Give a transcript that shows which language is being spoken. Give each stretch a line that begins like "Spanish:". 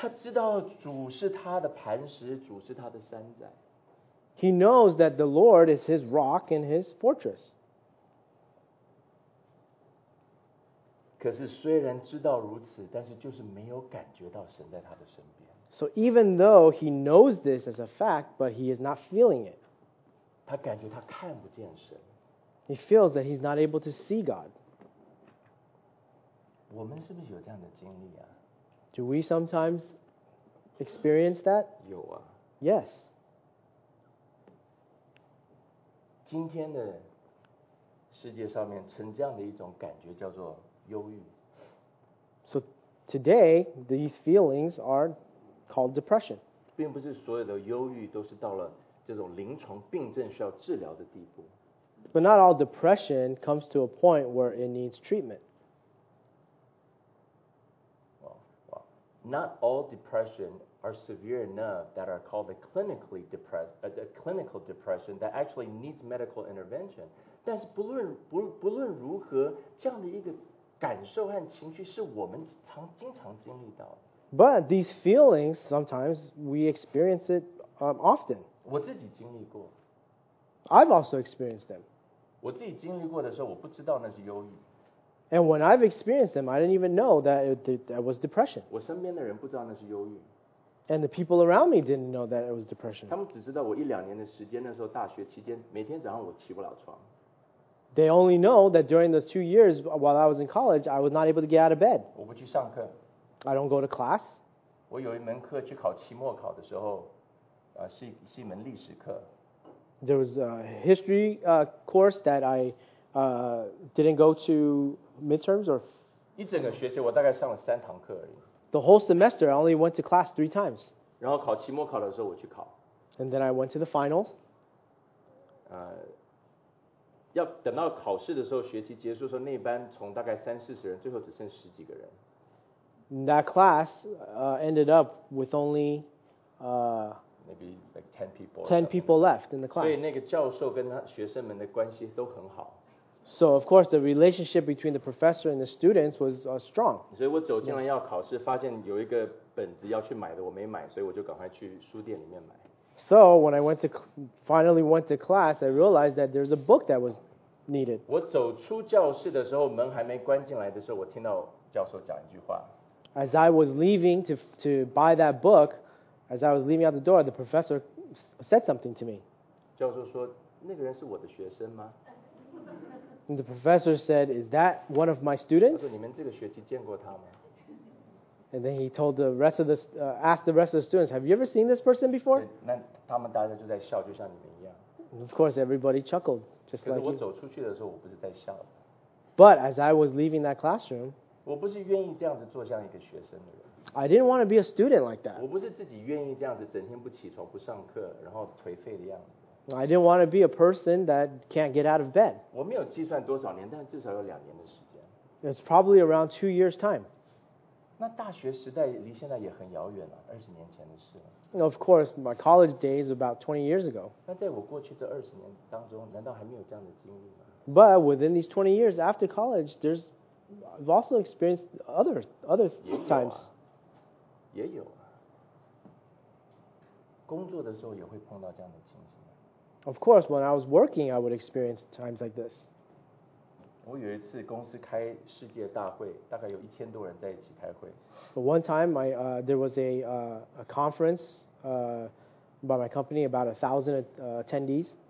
Chinese: 他知道主是他的磐石，主是他的山寨。
English: He knows that the Lord is his rock and his fortress.
Chinese: 可是虽然知道如此，但是就是没有感觉到神在他的身边。
English: So even though he knows this as a fact, but he is not feeling it.
Chinese: 他感觉他看不见神。
English: He feels that he's not able to see God.
Chinese: 我们是不是有这样的经历啊？
English: Do we sometimes experience that?
Chinese: 有啊。
English: Yes.
Chinese: 今天的世界上面存这样的一种感觉叫做忧郁。
English: So today, these feelings are called depression.
Chinese: 并不是所有的忧郁都是到了这种临床病症需要治疗的地步。
English: But not all depression comes to a point where it needs treatment. Not all depression are severe enough that are called a clinically depressed, a clinical depression that actually needs medical intervention.
Chinese: 但是不论如何，这样的一个感受和情绪是我们经常经历到的。
English: But these feelings, sometimes we experience it often.
Chinese: 我自己经历过。
English: I've also experienced them.
Chinese: 我自己经历过的时候，我不知道那是忧郁。
English: And when I've experienced them, I didn't even know that that was depression.
Chinese: 我身边的人不知道那是忧郁。
English: And the people around me didn't know that it was depression.
Chinese: 他们只知道我一两年的时间，那时候大学期间，每天早上我起不了床。
English: They only know that during those 2 years while I was in college, I was not able to get out of bed.
Chinese: 我不去上课。
English: I don't go to class.
Chinese: 我有一门课去考期末考的时候，是一门历史课。
English: There was a history course that I didn't go to midterms or.
Chinese: 一整个学期我大概上了三堂课而已。
English: The whole semester I only went to class 3 times.
Chinese: 然后考期末考的时候我去考。
English: And then I went to the finals.
Chinese: 要等到考试的时候，学期结束的时候，那班从大概三四十人，最后只剩十几个人。
English: That class ended up with only. Maybe like 10 people. 10 people left in the class.
Chinese: 所以那个教授跟他学生们的关系都很好。
English: So of course the relationship between the professor and the students was strong.
Chinese: 所以我走进来要考试，发现有一个本子要去买的，我没买，所以我就赶快去书店里面买。
English: So when I finally went to class, I realized that there's a book that was needed.
Chinese: 我走出教室的时候，门还没关进来的时候，我听到教授讲一句话。
English: As I was leaving to buy that book, as I was leaving out the door, the professor said something to me.
Chinese: 教授说，那个人是我的学生吗？
English: And the professor said, is that one of my students?
Chinese: 他说，你们这个学期见过他吗？
English: And then he told the rest of the, asked the rest of the students, have you ever seen this person before?
Chinese: 那他们大家就在笑，就像你们一样。
English: And of course, everybody chuckled, just like you.
Chinese: 可是我走出去的时候，我不是在笑。
English: But as I was leaving that classroom,
Chinese: 我不是愿意这样子做像一个学生的人。
English: I didn't want to be a student like that.
Chinese: 我不是自己愿意这样子整天不起床不上课然后颓废的样子。
English: I didn't want to be a person that can't get out of bed.
Chinese: 我没有计算多少年但至少有两年的时间。
English: It's probably around 2 years time.
Chinese: 那大学时代离现在也很遥远了，二十年前的事了。
English: Of course, my college days about 20 years ago.
Chinese: 那在我过去这二十年当中难道还没有这样的经历吗？
English: But within these 20 years after college, there's I've also experienced other times.
Chinese: 也有啊。工作的时候也会碰到这样的情形。
English: Of course, when I was working, I would experience times like this.
Chinese: 我有一次公司开世界大会，大概有一千多人在一起开会。
English: So one time, there was a conference by my company, about 1,000 attendees.